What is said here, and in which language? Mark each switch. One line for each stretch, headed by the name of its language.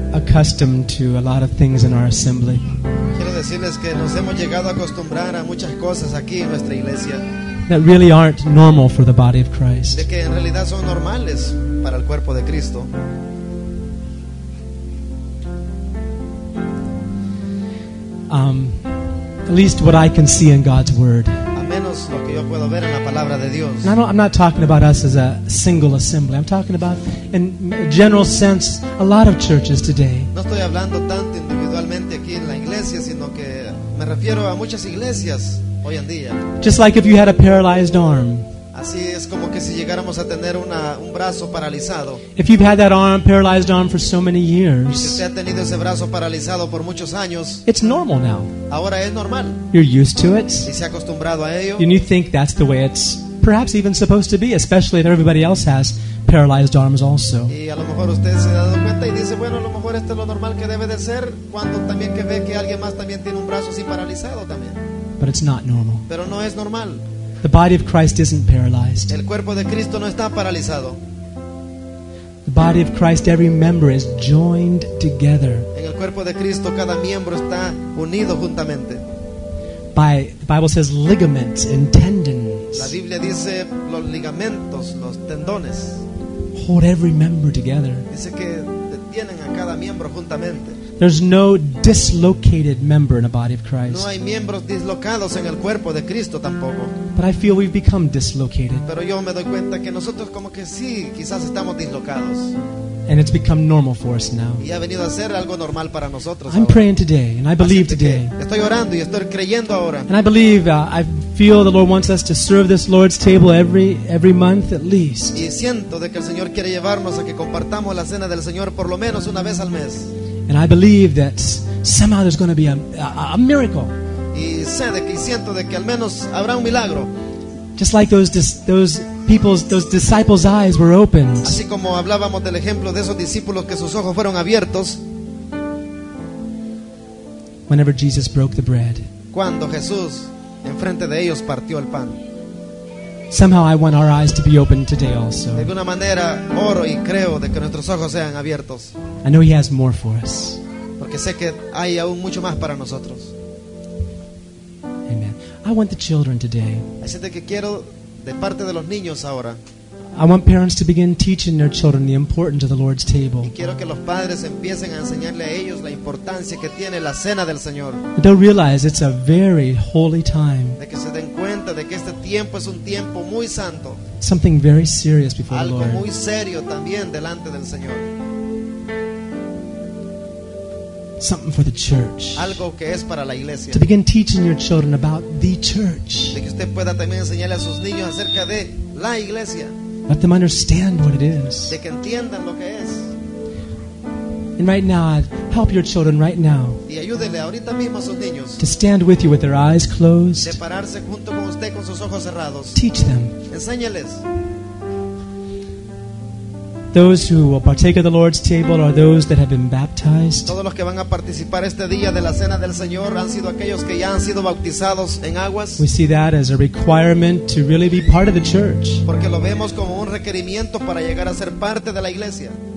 English: accustomed to a lot of things in our assembly.
Spanish: Quiero decirles que nos hemos llegado a acostumbrar a muchas cosas aquí en nuestra iglesia.
English: That really aren't normal for the body of Christ.
Spanish: De que en realidad son normales para el cuerpo de Cristo.
English: At least what I can see in God's word.
Spanish: A menos lo que yo puedo ver en la palabra de Dios.
English: And I'm not talking about us as a single assembly. I'm talking about, in a general sense, a lot of churches today.
Spanish: No estoy hablando tanto individualmente aquí en la iglesia, sino que me refiero a muchas iglesias hoy en día.
English: Just like if you had a paralyzed arm.
Spanish: Así es como que si llegáramos a tener un brazo paralizado.
English: If you've had that arm, paralyzed arm for so many years.
Spanish: Y si usted ha tenido ese brazo paralizado por muchos años.
English: It's normal now.
Spanish: Ahora es normal.
English: You're used to it.
Spanish: Y se ha acostumbrado a ello.
English: And you think that's the way it's perhaps even supposed to be, especially if everybody else has paralyzed arms also.
Spanish: Y a lo mejor usted se ha dado cuenta y dice, bueno, a lo mejor esto es lo normal que debe de ser, cuando también que ve que alguien más también tiene un brazo así paralizado también.
English: But it's not normal.
Spanish: Pero no es normal.
English: The body of Christ isn't paralyzed.
Spanish: El cuerpo de Cristo no está paralizado.
English: The body of Christ, every member is joined together.
Spanish: En el cuerpo de Cristo, cada miembro está unido juntamente.
English: The Bible says ligaments and tendons.
Spanish: La Biblia dice los ligamentos, los tendones.
English: Hold every member together.
Spanish: Dice que detienen a cada miembro juntamente.
English: There's no dislocated member in the body of Christ.
Spanish: No hay miembros dislocados en el cuerpo de Cristo tampoco.
English: But I feel we've become dislocated.
Spanish: Pero yo me doy cuenta que nosotros como que sí, quizás estamos dislocados.
English: And it's become normal for us now.
Spanish: Y ha venido a ser algo normal para nosotros.
English: I'm praying today, and I believe today.
Spanish: Estoy orando y estoy creyendo ahora.
English: And I believe, I feel the Lord wants us to serve this Lord's table every month at least.
Spanish: Y siento de que el Señor quiere llevarnos a que compartamos la cena del Señor por lo menos una vez al mes.
English: And I believe that somehow there's going to be a miracle.
Spanish: Y sé de que, y siento de que al menos habrá un milagro.
English: Just like those disciples' eyes were opened.
Spanish: Así como hablábamos del ejemplo de esos discípulos que sus ojos fueron abiertos.
English: Whenever Jesus broke the bread.
Spanish: Cuando Jesús enfrente de ellos partió el pan.
English: Somehow I want our eyes to be open today also.
Spanish: De alguna manera oro y creo de que nuestros ojos sean abiertos.
English: I know he has more for us.
Spanish: Porque sé que hay aún mucho más para nosotros.
English: Amen. I want the children today.
Spanish: Así de que quiero de parte de los niños ahora.
English: I want parents to begin teaching their children the importance of the Lord's table.
Spanish: Y quiero que los padres empiecen a enseñarle a ellos la importancia que tiene la cena del Señor.
English: They'll realize it's a very holy time.
Spanish: De que se den cuenta de que este tiempo es un tiempo muy santo.
English: Something very serious before
Spanish: algo
English: the Lord.
Spanish: Algo muy serio también delante del Señor.
English: Something for the church.
Spanish: Algo que es para la iglesia.
English: To begin teaching your children about the church.
Spanish: De que usted pueda también enseñarle a sus niños acerca de la iglesia.
English: Let them understand what it is.
Spanish: De que entiendan lo que es.
English: And right now, help your children right now.
Spanish: Y ayúdele ahorita mismo a sus niños.
English: To stand with you with their eyes closed.
Spanish: De pararse junto con usted con sus ojos cerrados.
English: Teach them.
Spanish: Enséñales.
English: Those who will partake of the Lord's table are those that have been baptized.
Spanish: Todos los que van a participar este día de la cena del Señor han sido aquellos que ya han sido bautizados en aguas.
English: We see that as a requirement to really be part of the church.
Spanish: Porque lo vemos como un requerimiento para llegar a ser parte de la iglesia.